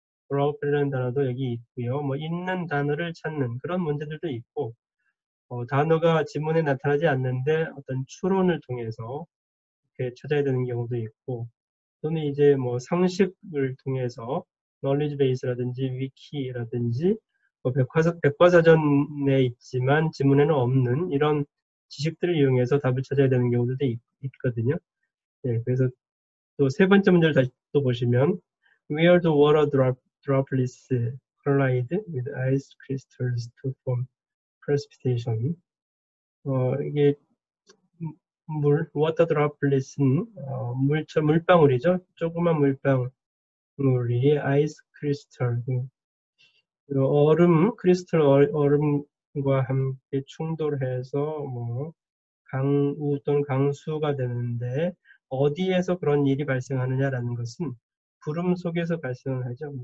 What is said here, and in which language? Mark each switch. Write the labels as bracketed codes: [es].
[ko] 그라우펠이라는 단어도 여기 있고요. 뭐 있는 단어를 찾는 그런 문제들도 있고, 단어가 지문에 나타나지 않는데 어떤 추론을 통해서 이렇게 찾아야 되는 경우도 있고, 또는 이제 뭐 상식을 통해서 knowledge base라든지 위키라든지 백과사전에 있지만 지문에는 없는 이런 지식들을 이용해서 답을 찾아야 되는 경우도 있거든요. 네, 그래서 또세 번째 문제를 다시 또 보시면 [en] Where do water droplets collide with ice crystals to form precipitation? [ko] 이게 water droplets은 물방울이죠. 조그만 물방울이 ice crystal. 얼음, 크리스탈 얼음과 함께 충돌해서 뭐 강우 또는 강수가 되는데 어디에서 그런 일이 발생하느냐라는 것은 구름 속에서 발생을 하죠.